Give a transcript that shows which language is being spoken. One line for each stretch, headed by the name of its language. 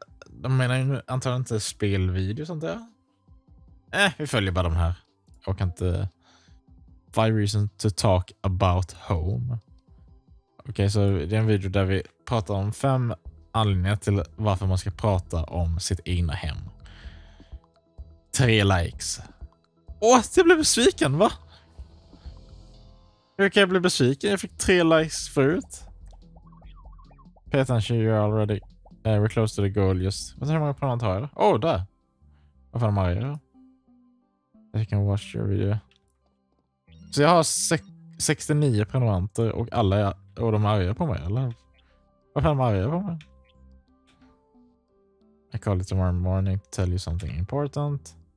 Swedish: De menar ju antagligen inte spelvideo sånt där. Vi följer bara de här. Jag kan inte...
English: 5 reasons to talk about home.
Swedish: Okej, så det är en video där vi pratar om 5 anledningar till varför man ska prata om sitt egna hem. 3 likes. Åh, jag blev besviken, va? Hur kan jag bli besviken? Jag fick 3 likes förut. Peter,
English: you're already... we're close to the goal, just.
Swedish: Vad är det många planer har jag? Oh, där! Vad fan har jag då?
English: I can watch your video.
Swedish: Så jag har 69 prenumeranter och alla är... Och de är arga på mig, eller? Vad fan har jag på mig?
English: I call it tomorrow morning to tell you something important.